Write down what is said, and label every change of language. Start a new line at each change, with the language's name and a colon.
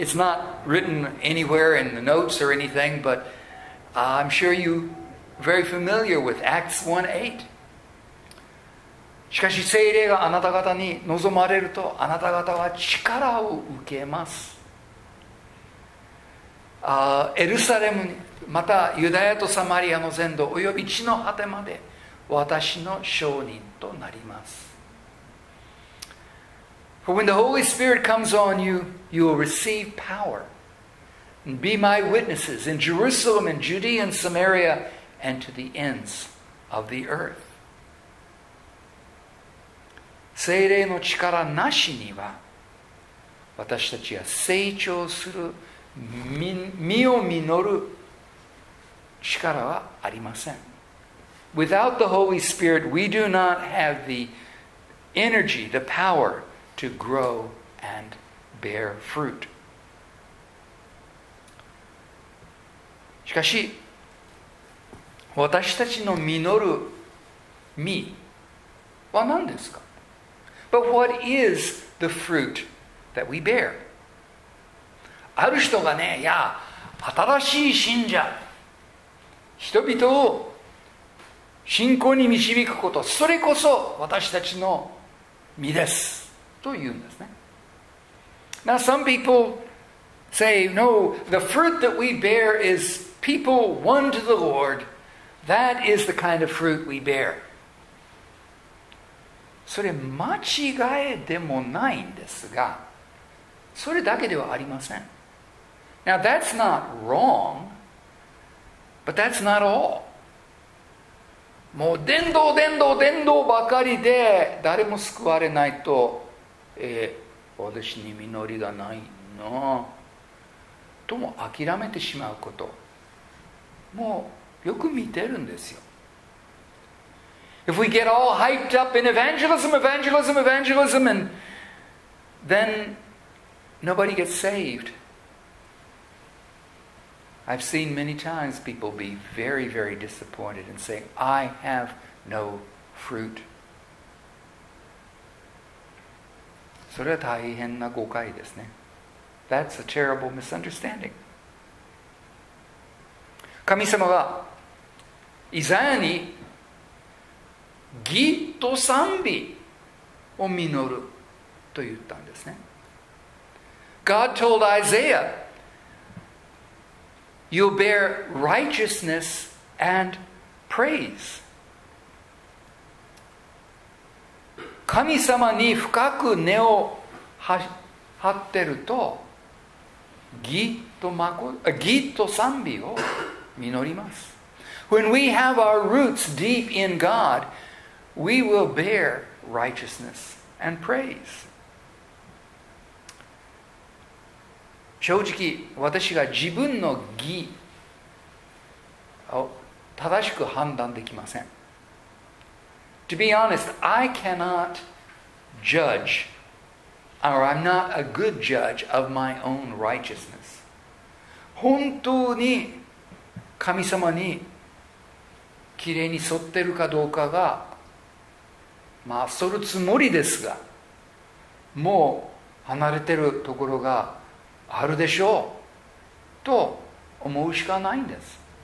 English: It's not written anywhere in the notes or anything, but I'm sure you're very familiar with Acts 1:8.
Japanese: しかし聖霊があなた方に望まれるとあなた方は力を受けます。エルサレムにまたユダヤとサマリアの全土および地の果てまで私の証人となります。
English: For when the Holy Spirit comes on you, you will receive power and be my witnesses in Jerusalem and Judea and Samaria and to the ends of the earth.
Japanese: 聖霊の力なしには私たちは成長する身を実る力はありません。
English: Without the Holy Spirit, we do not have the energy, the power to grow and bear fruit.
Japanese: しかし私たちの実る実は何ですか？
English: But what is the fruit that we bear?
Japanese: ある人がね、いや、新しい信者、人々を信仰に導くこと、それこそ私たちの実です、と言うんですね。
English: Now some people say, no, the fruit that we bear is people won to the Lord. That is the kind of fruit we bear.
Japanese: それ間違いでもないんですが、それだけではありません。
English: Now that's not wrong, but that's not all.
Japanese: もう伝道伝道伝道ばかりで誰も救われないと、私に実りがないなとも諦めてしまうこと、もうよく見てるんですよ。
English: If we get all hyped up in evangelism, evangelism, evangelism, and then nobody gets saved. I've seen many times people be very, very disappointed and say, I have no fruit.
Japanese: それは大変な誤解ですね。
English: That's a terrible misunderstanding.
Japanese: 神様がイザヤに義と賛美を実ると言ったんですね。
English: God told Isaiah, You'll bear righteousness and praise.
Japanese: 神様に深く根を張ってると、義と賛美を実ります。
English: When we have our roots deep in God, we will bear righteousness and praise.
Japanese: 正直私が自分の義を正しく判断できません。
English: To be honest, I cannot judge, or I'm not a good judge of my own righteousness.
Japanese: 本当に神様にきれいに沿ってるかどうかが、まあ、沿るつもりですが、もう離れてるところがあるでしょうと思うしかないんです。